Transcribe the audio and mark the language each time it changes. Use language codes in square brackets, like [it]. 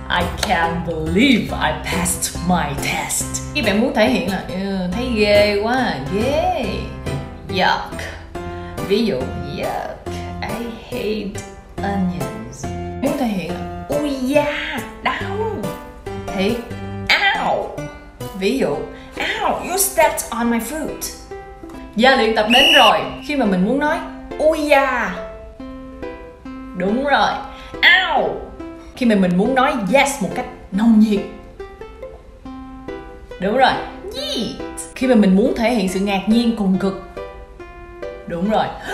[en] I can't believe I passed my test. [vi] Khi bạn muốn thể hiện là thấy ghê quá, ghê. Yuck. Ví dụ [en] yuck, I hate onions. [vi] Muốn thể hiện là ui da, đau. Thì ow. Ví dụ [en] ow, you stepped on my foot. [vi] Giờ luyện tập đến rồi. Khi mà mình muốn nói ui da, đúng rồi, ow. Khi mà mình muốn nói yes một cách nồng nhiệt, đúng rồi, yeet. Khi mà mình muốn thể hiện sự ngạc nhiên cùng cực, đúng rồi.